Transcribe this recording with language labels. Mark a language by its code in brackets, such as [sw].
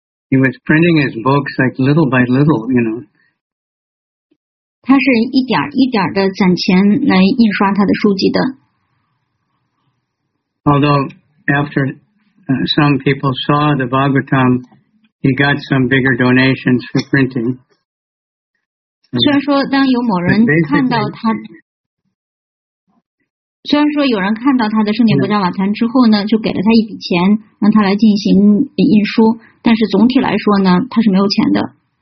[en] He was printing his books like little by little, you know. [zh] 他是一点一点的攒钱来印刷他的书籍的。 [en] Although after some people saw the Bhagavatam, he got some bigger donations for printing. [zh] 虽然说当有某人看到他，虽然说有人看到他的圣殿国家晚餐之后呢，就给了他一笔钱，让他来进行印书，但是总体来说呢，他是没有钱的。